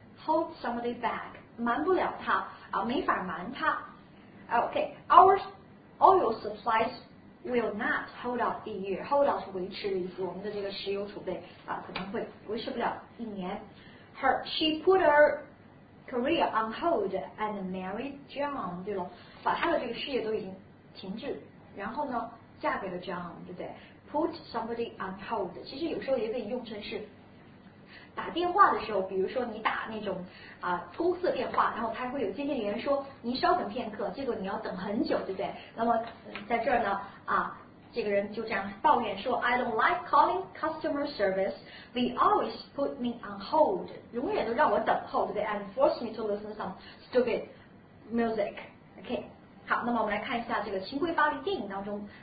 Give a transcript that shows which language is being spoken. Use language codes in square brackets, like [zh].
[en] Hold somebody back, [zh] 瞒不了他啊，没法瞒他。 [en] OK, our oil supplies will not hold out a year. [zh] Hold out 是维持的意思，我们的这个石油储备啊，可能会维持不了一年。 [en] She put her career on hold and married John. [zh] 对了，把他的这个事业都已经停滞，然后呢？嫁给了 John， 对不对 ？ [en] Put somebody on hold， [zh] 其实有时候也可以用成是打电话的时候，比如说你打那种啊公司电话，然后他会有接线员说您稍等片刻，结果你要等很久，对不对？那么在这儿呢啊，这个人就这样抱怨说 ， [en] I don't like calling customer service. They always put me on hold， [zh] 永远都让我等候，对不对 [en] ？And force me to listen some stupid music. [zh] OK， 好，那么我们来看一下这个《秦桧巴黎》电影当中。